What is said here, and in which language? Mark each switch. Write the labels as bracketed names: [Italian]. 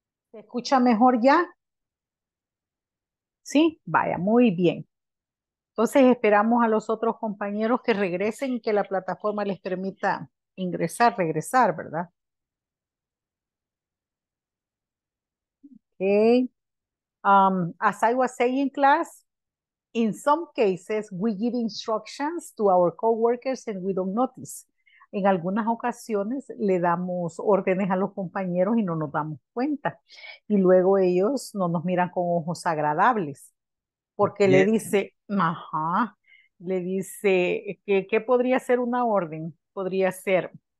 [Spanish] ¿Se escucha mejor ya? ¿Sí? Vaya, muy bien. Entonces esperamos a los otros compañeros que regresen y que la plataforma les permita ingresar, regresar, ¿verdad? [English] Okay. As I was saying in class, in some cases, we give instructions to our coworkers and we don't notice. [Spanish] En algunas ocasiones, le damos órdenes a los compañeros y no nos damos cuenta. Y luego ellos no nos miran con ojos agradables. Porque le dice, ajá, le dice, ¿qué podría ser una orden? Podría ser,